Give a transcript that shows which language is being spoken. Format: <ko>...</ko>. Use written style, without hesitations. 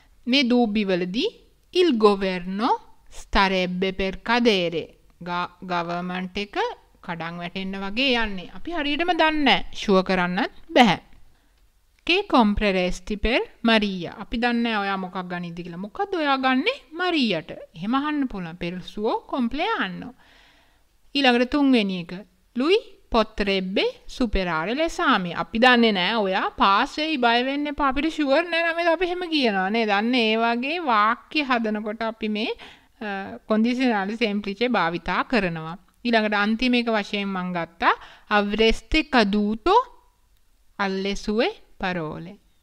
<si>මේ දූබ්බි වලදී</si> <it>il governo starebbe per cadere</it> <si>government එක කඩන් වැටෙන්න වගේ යන්නේ. අපි හරියටම දන්නේ නැහැ ෂුවර් කරන්නත් බෑ.</si> <it>che compreresti per maria</it> <si>අපි දන්නේ නැහැ ඔයා මොකක් ගනින්ද කියලා. මොකද ඔයා ගන්නෙ මරියට. එහෙම අහන්න පුළුවන්</si> <it>per suo compleanno.</it> <si>ඊළඟට තුන්වෙනි එක</si> <it>lui potrebbe superare l'esame.</it> <si>අපි දන්නේ නැහැ ඔයා පාස් වෙයි බය වෙන්න එපා අපිට ෂුවර් නැහැ නේද අපි එහෙම කියනවා නේද. දන්නේ ඒ වගේ වාක්‍ය හදනකොට අපි මේ කොන්දිසිනාලි සෙම්ප්ලිචෙ භාවිතා කරනවා. ඊළඟට අන්තිම එක වශයෙන් මං ගත්තා අව්‍රෙස්ති කදූතෝ අල්ලෙසුවේ පරෝලෙ.</si>